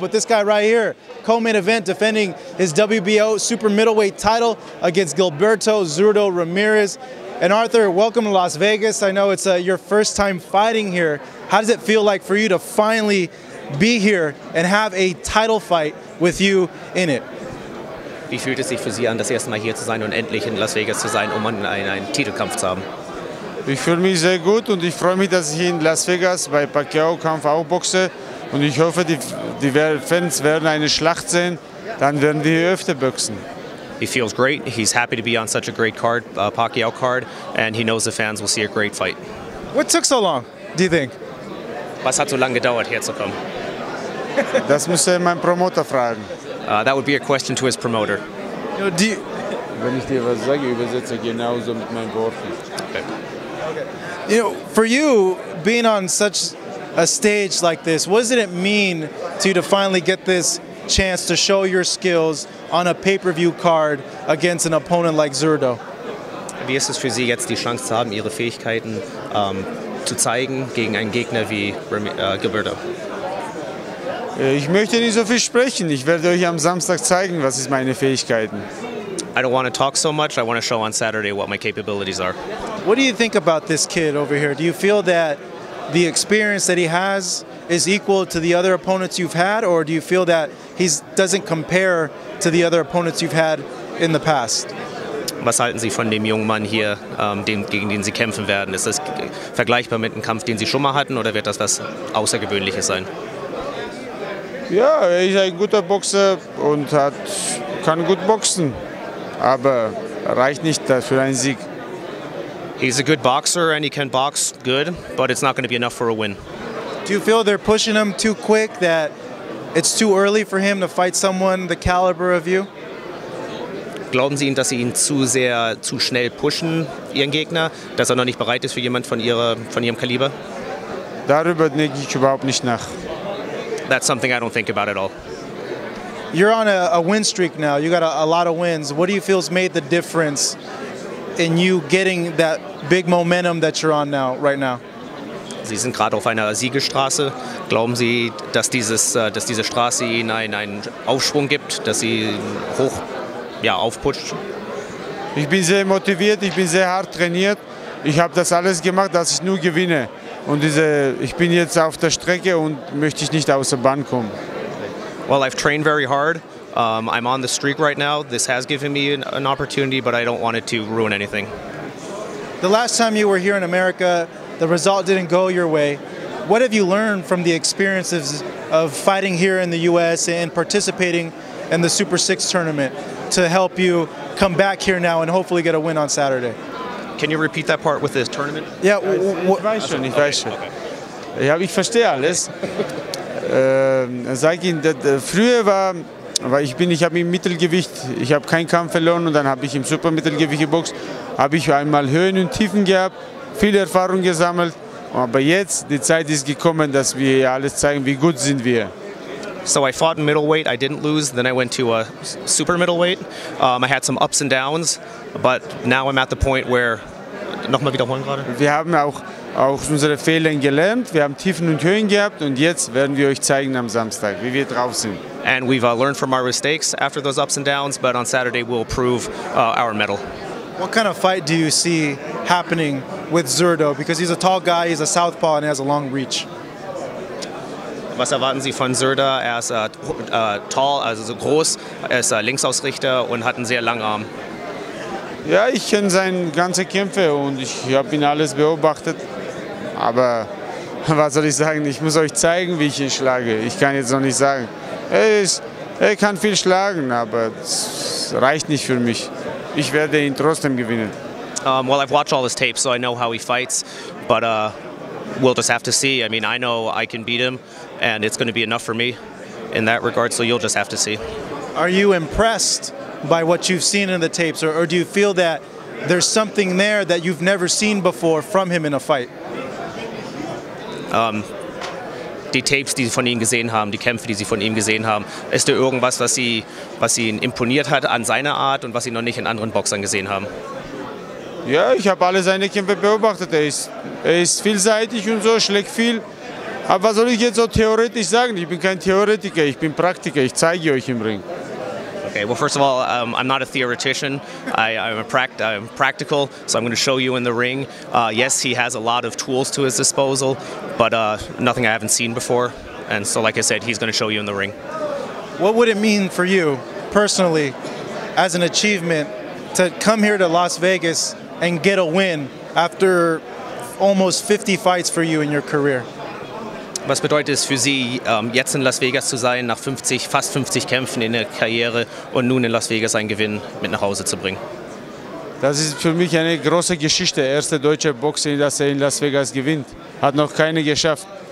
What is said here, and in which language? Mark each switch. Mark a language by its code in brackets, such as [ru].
[en] But this guy right here, co-main event, defending his WBO super middleweight title against Gilberto Zurdo Ramirez. And Arthur, welcome to Las Vegas. I know it's your first time fighting here. How does it feel like for you to finally be here and have a title fight with you in it? [de] Wie fühlt es sich für Sie an, das erste Mal hier zu sein und endlich in Las Vegas zu sein, um einen Titelkampf zu haben? Ich fühle mich sehr gut und ich freue mich, dass ich in Las Vegas bei Pacquiao-Kampf auch boxe. Und ich hoffe, die Fans werden eine Schlacht sehen, dann werden wir hier öfter boxen. [en] He feels great. He's happy to be on such a great card, Pacquiao card, and he knows the fans will see a great fight. What took so long, do you think? [de] Was hat so lange gedauert, herzukommen? Das müsste mein Promoter fragen. [en] That would be a question to his promoter. [de] Wenn ich dir was sage, übersetze genauso mit meinen Worten. [en] Okay. You know, for you, being on such a stage like this, what does it mean to finally get this chance to show your skills on a pay-per-view card against an opponent like Zurdo? [de] Wie ist es für Sie jetzt, die Chance zu haben, Ihre Fähigkeiten zu zeigen gegen einen Gegner wie Gilberto? Ich möchte nicht so viel sprechen. Ich werde euch am Samstag zeigen, was ist meine Fähigkeiten. [en] I don't want to talk so much. I want to show on Saturday what my capabilities are. What do you think about this kid over here? Do you feel that the experience that he has is equal to the other opponents you've had, or do you feel that he doesn't compare to the other opponents you've had in the past? [de] Was halten Sie von dem jungen Mann hier, gegen den Sie kämpfen werden? Ist das vergleichbar mit dem Kampf, den Sie schon mal hatten, oder wird das was Außergewöhnliches sein? Ja, er ist ein guter Boxer und kann gut boxen, aber reicht nicht für einen Sieg. [en] He's a good boxer and he can box good, but it's not going to be enough for a win. Do you feel they're pushing him too quick, that it's too early for him to fight someone the caliber of you? [de] Glauben Sie ihm, dass Sie ihn zu schnell pushen, Ihren Gegner, dass er noch nicht bereit ist für jemanden von Ihrem Kaliber? Darüber denke ich überhaupt nicht nach. [en] That's something I don't think about at all. You're on a win streak now. You got a lot of wins. What do you feel has made the difference in you getting that big momentum that you're on now, right now? [de] Sie sind gerade auf einer Siegestraße. Glauben Sie, dass diese Straße Ihnen einen Aufschwung gibt, dass Sie hoch, ja, aufputscht? Ich bin sehr motiviert. Ich bin sehr hart trainiert. Ich habe das alles gemacht, dass ich nur gewinne. Und ich bin jetzt auf der Strecke und möchte nicht aus der Bahn kommen. [en] Well, I've trained very hard. I'm on the streak right now. This has given me an opportunity, but I don't want it to ruin anything. The last time you were here in America, the result didn't go your way. What have you learned from the experiences of fighting here in the US and participating in the Super 6 tournament to help you come back here now and hopefully get a win on Saturday? Can you repeat that part with this tournament? Yeah, [de] ich weiß schon. Okay. Ja, ich verstehe alles. Sag ihn, früher war, weil ich habe im Mittelgewicht, ich habe keinen Kampf verloren und dann habe ich im Supermittelgewicht geboxt, habe ich einmal Höhen und Tiefen gehabt, viel Erfahrung gesammelt, aber jetzt die Zeit ist gekommen, dass wir alles zeigen, wie gut sind wir. [en] So I fought in middleweight, I didn't lose, then I went to a super middleweight. I had some ups and downs, but now I'm at the point where... [de] Nochmal wiederholen gerade? Wir haben auch unsere Fehler gelernt, wir haben Tiefen und Höhen gehabt und jetzt werden wir euch zeigen am Samstag, wie wir drauf sind. [en] And we've learned from our mistakes after those ups and downs, but on Saturday we'll prove our medal. What kind of fight do you see happening with Zurdo? Because he's a tall guy, he's a southpaw and he has a long reach. [de] Was erwarten Sie von Zurdo? Er ist tall, also so groß, er ist Linksausrichter und hat einen sehr langen Arm. Ja, ich kenne seine ganzen Kämpfe und ich habe ihn alles beobachtet. Aber was soll ich sagen? Ich muss euch zeigen, wie ich ihn schlage. Ich kann jetzt noch nicht sagen. Er kann viel schlagen, aber es reicht nicht für mich. Ich werde ihn trotzdem gewinnen. [en] Well, I've watched all his tapes, so I know how he fights, but we'll just have to see. I mean, I know I can beat him, and it's going to be enough for me in that regard, so you'll just have to see. Are you impressed by what you've seen in the tapes, or do you feel that there's something there that you've never seen before from him in a fight? [de] Die Tapes, die Sie von ihm gesehen haben, die Kämpfe, die Sie von ihm gesehen haben, ist da irgendwas, was Sie, was ihn imponiert hat an seiner Art und was Sie noch nicht in anderen Boxern gesehen haben? Ja, ich habe alle seine Kämpfe beobachtet. Er ist vielseitig und so, schlägt viel. Aber was soll ich jetzt so theoretisch sagen? Ich bin kein Theoretiker, ich bin Praktiker. Ich zeige euch im Ring. [en] Okay, well, first of all, I'm not a theoretician. I'm practical, so I'm going to show you in the ring. Yes, he has a lot of tools to his disposal, but nothing I haven't seen before. And so, like I said, he's going to show you in the ring. What would it mean for you, personally, as an achievement, to come here to Las Vegas and get a win after almost 50 fights for you in your career? [de] Was bedeutet es für Sie, jetzt in Las Vegas zu sein, nach fast 50 Kämpfen in der Karriere und nun in Las Vegas einen Gewinn mit nach Hause zu bringen? Das ist für mich eine große Geschichte. Erste deutsche Boxer, dass er in Las Vegas gewinnt. Hat noch keine geschafft.